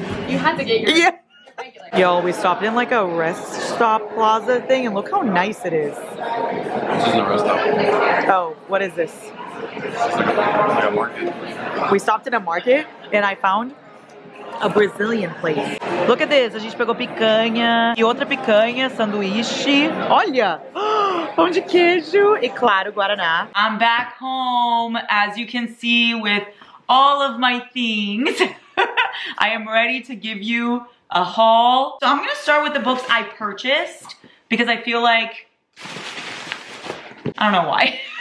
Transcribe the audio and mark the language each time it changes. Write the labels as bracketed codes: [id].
[en] You had to get your Yeah. Regular. Yo, we stopped in like a rest stop plaza thing and look how nice it is. This isn't a rest stop. Oh, what is this? Like a market. We stopped in a market and I found a Brazilian place. Look at this. [pt] A gente pegou picanha e outra picanha, sanduíche. Olha! Pão de queijo e claro, guaraná. [en] I'm back home, as you can see, with all of my things. I am ready to give you a haul. So I'm gonna start with the books I purchased because I feel like, I don't know why.